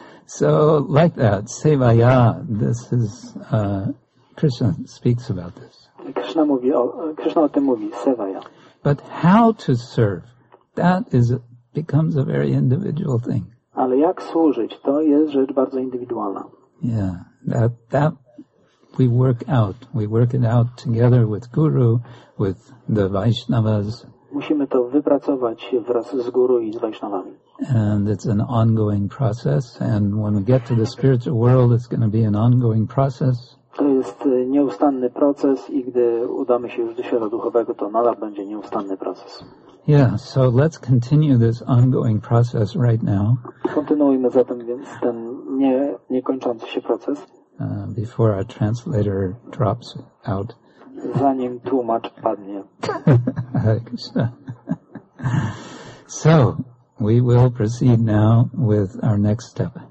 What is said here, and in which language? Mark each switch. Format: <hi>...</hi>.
<en>So like that, Sevaya, this is Krishna speaks about this.</en> <pl>Krishna o tym mówi, Sevaya.</pl> <en>But how to serve, that becomes a very individual thing.</en> <pl>Ale jak służyć, to jest rzecz bardzo indywidualna.</pl> <en>Yeah, that we work out. We work it out together with Guru, with the Vaishnavas.</en> <pl>Musimy to wypracować wraz z Guru i z Vaishnavami.</pl> <en>And it's an ongoing process, and when we get to the spiritual world, it's going to be an ongoing process.</en> <pl>To jest nieustanny proces i gdy udamy się już do świata duchowego, to nadal będzie nieustanny proces.</pl> <en>Yeah, so let's continue this ongoing process right now.</en> <pl>Kontynuujmy zatem więc ten niekończący się proces.</pl> <en>Before our translator drops out.</en> <pl>Zanim tłumacz padnie.</pl> <en>So, we will proceed now with our next step.</en>